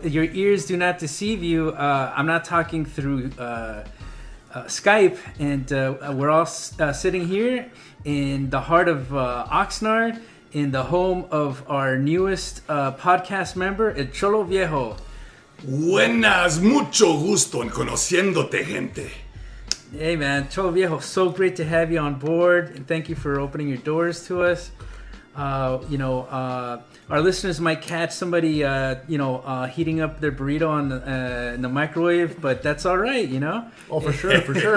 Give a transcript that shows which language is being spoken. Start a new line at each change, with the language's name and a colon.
English: Your ears do not deceive you. I'm not talking through Skype, and we're all sitting here in the heart of Oxnard, in the home of our newest podcast member, El Cholo Viejo.
Spanish: Buenas, mucho gusto en conociéndote, gente.
English: Hey man, Cholo Viejo, so great to have you on board, and thank you for opening your doors to us. You know, our listeners might catch somebody, heating up their burrito in the microwave, but that's all right, you know. Oh, for sure, for sure.